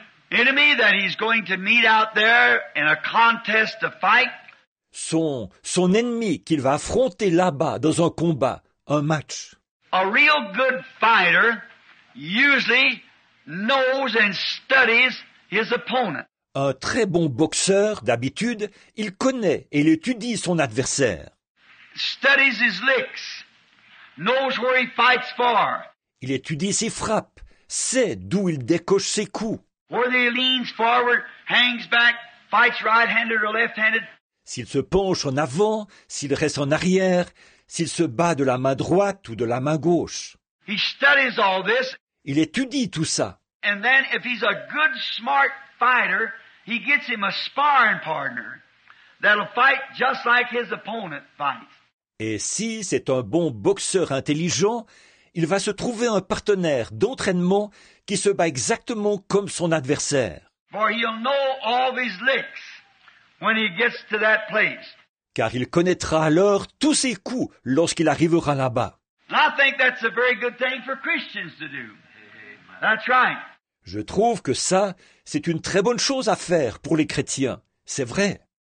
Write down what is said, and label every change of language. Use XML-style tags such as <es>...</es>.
<en>His enemy that he's going to meet out there in a contest to fight.</en> <fr>Son ennemi qu'il va affronter là-bas dans un combat, un match.</fr> <en>A real good fighter usually knows and studies his opponent.</en> <fr>Un très bon boxeur, d'habitude, il connaît et il étudie son adversaire.</fr> <en>Studies his licks, knows where he fights for.</en> <fr>Il étudie ses frappes, sait d'où il décoche ses coups.</fr> <en>Where he leans forward, hangs back, fights right-handed or left-handed.</en> <fr>S'il se penche en avant, s'il reste en arrière, s'il se bat de la main droite ou de la main gauche.</fr> <en>He studies all this.</en> <fr>Il étudie tout ça.</fr> <en>And then if he's a good, smart fighter, he gets him a sparring partner that'll fight just like his opponent fights.</en> <fr>Et si c'est un bon boxeur intelligent, il va se trouver un partenaire d'entraînement qui se bat exactement comme son adversaire.</fr> <en>For he'll know all his licks when he gets to that place.</en> <fr>Car il connaîtra alors tous ses coups lorsqu'il arrivera là-bas.</fr> <en>I think that's a very good thing for Christians to do. That's right.</en> <fr>Je trouve que ça, c'est une très bonne chose à faire pour les chrétiens. C'est vrai.</fr>